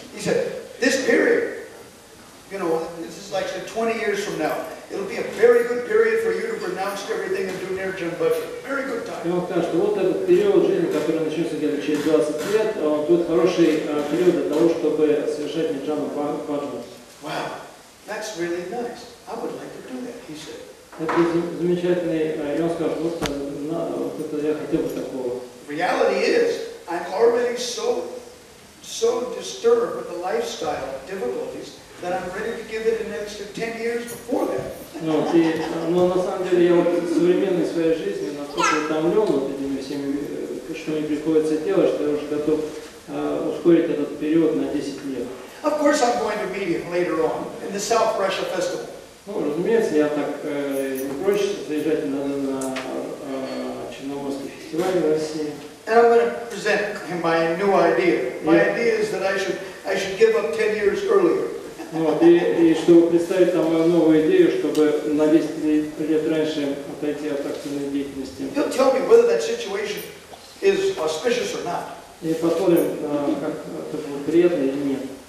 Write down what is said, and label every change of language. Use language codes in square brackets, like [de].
[en] He said, this period, you know, this is like 20 years from now. It'll be a very good period for you to renounce everything and do nirjan bhajan. Very good time. [ru] И он сказал, что вот этот период жизни, который начнется где-то через 20 лет, он будет хороший период для того, чтобы совершать нирджану бхаджан. [en] Wow, that's really nice. I would like to do that, he said. [ru] Это замечательный, и он сказал, вот это я хотел бы такого. [en] Reality is, I'm already so disturbed with the lifestyle difficulties that I'm ready to give it an extra 10 years before that. [ru] Ну, но на самом деле я вот в современной своей жизни настолько утомлен вот этими всеми, что мне приходится делать, что я уже готов ускорить этот период на 10 лет. [en] Of course I'm going to meet him later on in the South Russia festival. [ru] Ну, разумеется, я так не проще заезжать на Черноморский фестиваль в России. [en] And I'm going to present him my new idea. My idea is that I should give up 10 years earlier. [ru] Вот, и чтобы представить там мою новую идею, чтобы на 10 лет раньше отойти от активной деятельности. [en] He'll tell me whether that situation is auspicious or not. [ru] И посмотрим, как это будет приятно или нет.